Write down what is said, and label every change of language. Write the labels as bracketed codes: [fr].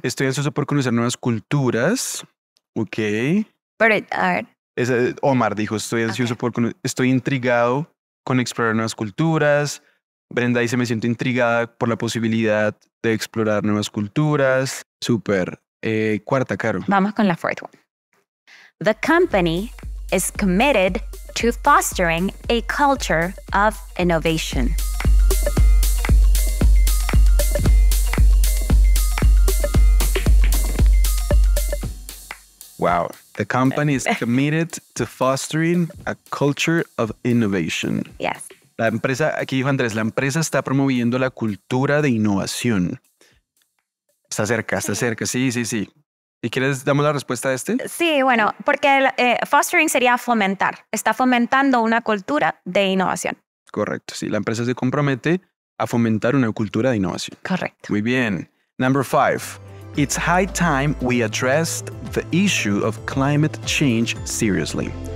[es] Estoy ansioso por conocer nuevas culturas. Ok. Pero, a ver. Omar dijo: estoy ansioso por conocer, estoy intrigado con explorar nuevas culturas. Brenda dice: me siento intrigada por la posibilidad de explorar nuevas culturas. Súper. Cuarta, Caro. Vamos con la [en] fourth one. The company is committed to fostering a culture of innovation. Wow. The company is committed to fostering a culture of innovation. Yes. [es] La empresa, aquí dijo Andrés, la empresa está promoviendo la cultura de innovación. Está cerca, está cerca. Sí, sí, sí. ¿Y quieres, damos la respuesta a este? Sí, bueno, porque fostering sería fomentar. Está fomentando una cultura de innovación. Correcto, sí. La empresa se compromete a fomentar una cultura de innovación. Correcto. Muy bien. [en] Number five. It's high time we addressed the issue of climate change seriously.